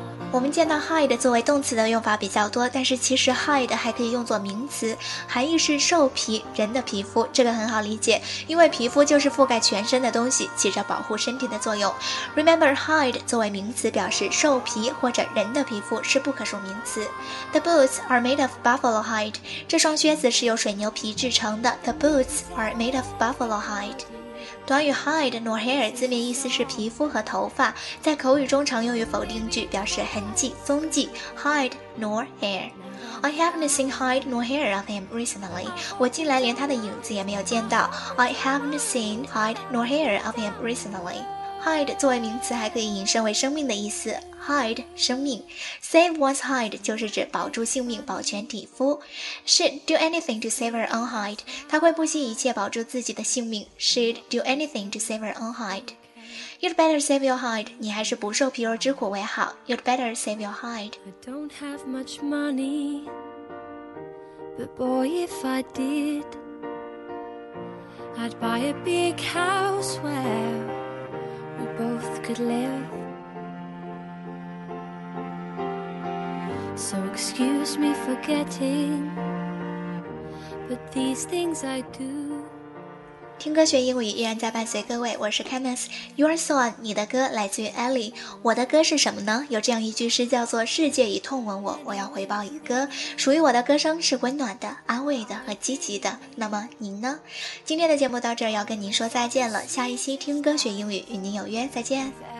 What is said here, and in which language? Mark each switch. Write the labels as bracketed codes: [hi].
[zh] 我们见到 hide 作为动词的用法比较多，但是其实 hide 还可以用作名词，含义是兽皮，人的皮肤，这个很好理解，因为皮肤就是覆盖全身的东西，起着保护身体的作用。 Remember, hide 作为名词表示兽皮或者人的皮肤是不可数名词。 [en] The boots are made of buffalo hide. [zh] 这双靴子是由水牛皮制成的。 [en] The boots are made of buffalo hide. [zh] 短语 hide nor hair 字面意思是皮肤和头发，在口语中常用于否定句，表示痕迹、踪迹。 [en] Hide nor hair. I haven't seen hide nor hair of him recently. [zh] 我近来连他的影子也没有见到。 [en] I haven't seen hide nor hair of him recently. [zh] Hide 作为名词还可以引申为生命的意思。Hide 生命， save one's hide 就是指保住性命，保全体肤。 [en] She'd do anything to save her own hide. [zh] 她会不惜一切保住自己的性命。 [en] She'd do anything to save her own hide. You'd better save your hide. [zh] 你还是不受皮肉之苦为好。 [en] You'd better save your hide. I don't have much money, but boy if I did, I'd buy a big house where we both could liveSo excuse me for getting, but these things I do. [zh] 听歌学英语依然在伴随各位，我是 Candice. [en] Your song, [zh] 你的歌来自于 Ellie. 我的歌是什么呢？有这样一句诗叫做世界已痛吻我，我要回报以歌。属于我的歌声是温暖的、安慰的和积极的。那么您呢？今天的节目到这儿要跟您说再见了。下一期听歌学英语与您有约，再见。